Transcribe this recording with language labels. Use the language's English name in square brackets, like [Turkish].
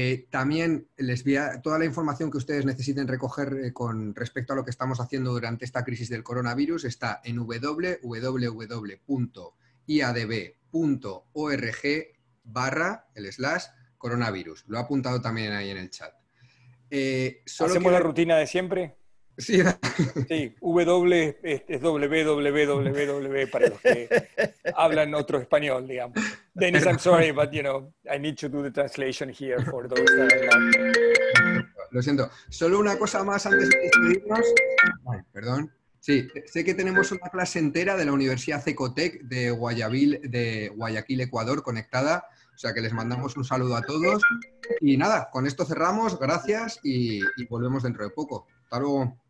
[Spanish] También les voy a toda la información que ustedes necesiten recoger con respecto a lo que estamos haciendo durante esta crisis del coronavirus está en www.iadb.org/coronavirus. Lo ha apuntado también ahí en el chat. Solo ¿hacemos la rutina de siempre? Sí. Sí, www para los que hablan otro español, digamos. [English] Dennis, I'm sorry, but you know, I need to do the translation here for those that are... [Spanish] Lo siento. Solo una cosa más antes de despedirnos. Perdón. Sí, sé que tenemos una clase entera de la Universidad Cecotec de Guayaquil, Ecuador, conectada. O sea que les mandamos un saludo a todos. Y nada, con esto cerramos. Gracias y volvemos dentro de poco. Hasta luego.